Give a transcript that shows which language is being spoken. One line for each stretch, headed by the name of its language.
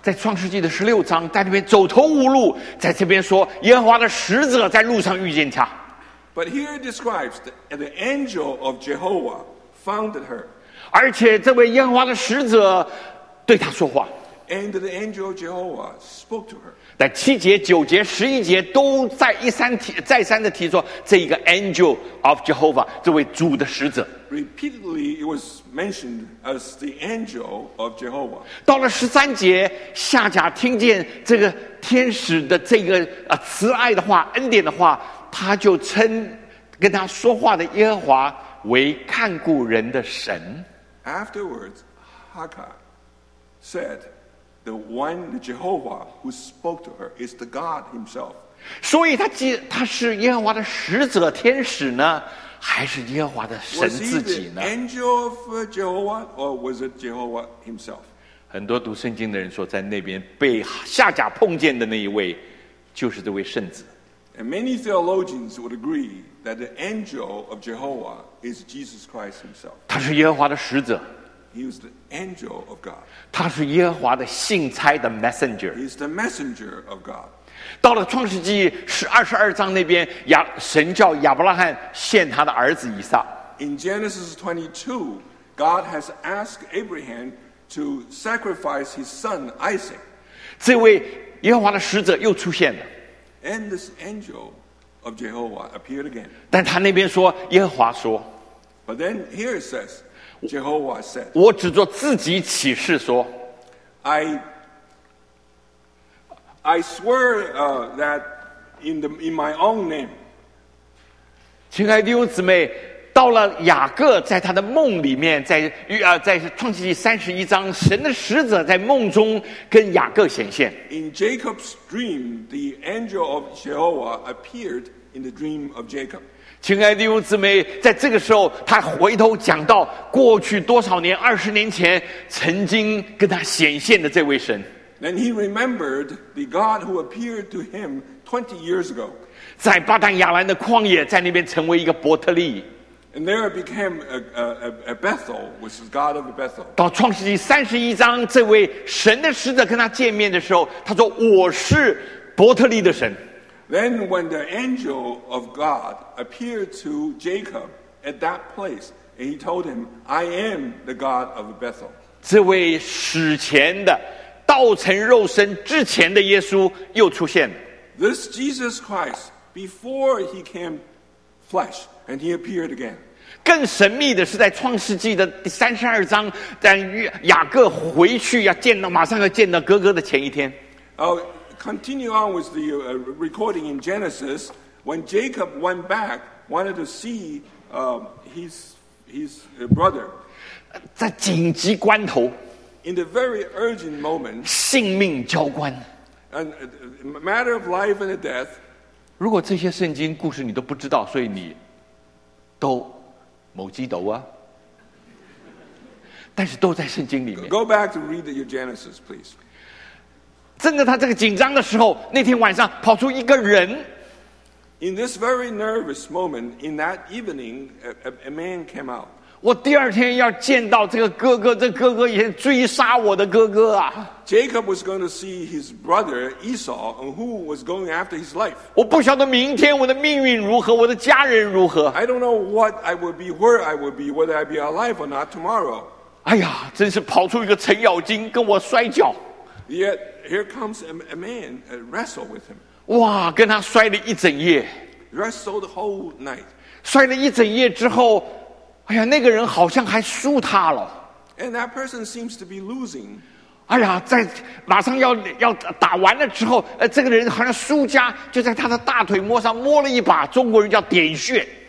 Chinese: 在创世纪的十六章，在那边走投无路，在这边说耶和华的使者在路上遇见他。
English: But here it describes that the angel of Jehovah found her.
Chinese: 而且这位耶和华的使者对他说话。
English: And the angel of Jehovah spoke to her.
Chinese: 在七节、九节、十一节都在再三的提说这一个
English: angel of Jehovah，
Chinese: 这位主的使者。
English: Repeatedly, it was mentioned as the angel of Jehovah.
Chinese: 到了十三节，夏甲听见这个天使的这个慈爱的话、恩典的话，他就称跟他说话的耶和华为看顾人的神。
English: Afterwards, Haggai said. The one, the Jehovah, who spoke to her is the God himself.
Chinese: 所以他是耶和华的使者天使呢，还是耶和华的神自己呢？
English: Was he the angel of Jehovah, or was it Jehovah himself?
Chinese: 很多读圣经的人说，在那边被夏甲碰见的那一位，就是这位圣子。
English: And many theologians would agree that the angel of Jehovah is Jesus Christ himself.
Chinese: 他是耶和华的使者。
English: He was the angel of God.
Chinese: 他是耶和华的信差的 messenger.
English: He is the messenger of God.
Chinese: 到了创世纪十二十二章那边，神叫亚伯拉罕献他的儿子以撒。
English: In Genesis 22, God has asked Abraham to sacrifice his son Isaac.
Chinese: 这位耶和华的使者又出现了。
English: And this angel of Jehovah appeared again.
Chinese: 但他那边说耶和华说。
English: But then here it says. Jehovah said,
Chinese: 我只做自己启示说
English: I swear that in my own name.
Chinese: 亲爱的弟兄姊妹，到了雅各在他的梦里面，在创世纪三十一章，神的使者在梦中跟雅各显现。
English: In Jacob's dream, the angel of Jehovah appeared in the dream of Jacob.
Chinese: 亲爱的弟兄姊妹，在这个时候，他回头讲到过去多少年，二十年前曾经跟他显现的这位神。
English: Then he remembered the God who appeared to him 20 years ago.
Chinese: 在巴旦亚兰的旷野，在那边成为一个伯特利。
English: And there became a Bethel, which is God of Bethel.
Chinese: 到创世纪三十一章，这位神的使者跟他见面的时候，他说：“我是伯特利的神。”
English: Then when the angel of God. Appeared to Jacob at that place, and he told him, "I am the God of Bethel."
Chinese: 这位史前的道成肉身之前的耶稣又出现了。
English: This Jesus Christ, before he came flesh, and he appeared again.
Chinese: 更神秘的是，在创世纪的第三十二章，在雅各回去要见到，马上要见到哥哥的前一天。
English: Continue on with the recording in Genesis. When Jacob went back, wanted to see his brother.
Chinese: 在紧急关头
English: ，in the very urgent moment,
Chinese: 性命交关
English: ，and matter of life and death.
Chinese: 如果这些圣经故事你都不知道，所以你都某鸡斗啊。但是都在圣经里面。
English: Go back to read your Genesis, please.
Chinese: 正在他这个紧张的时候，那天晚上跑出一个人。
English: In this very nervous moment, in that evening, a man came out.
Chinese: 我第二天要见到这个哥哥，这哥哥也追杀我的哥哥啊。
English: Jacob was going to see his brother Esau, who was going after his life.
Chinese: 我不晓得明天我的命运如何，我的家人如何。
English: I don't know what I will be, where I will be, whether I be alive or not tomorrow.
Chinese: 哎呀，真是跑出一个程咬金跟我摔跤。
English: Yet here comes a man wrestle with him.
Chinese: 哇，跟他摔了一整夜。
English: Wrestled the whole night.
Chinese: 摔了一整夜之后，哎呀，那个人好像还输他了。
English: And that person seems to be losing.
Chinese: 哎呀，在马上要打完了之后，这个人好像输家，就在他的大腿摸上摸了一把，中国人叫点穴。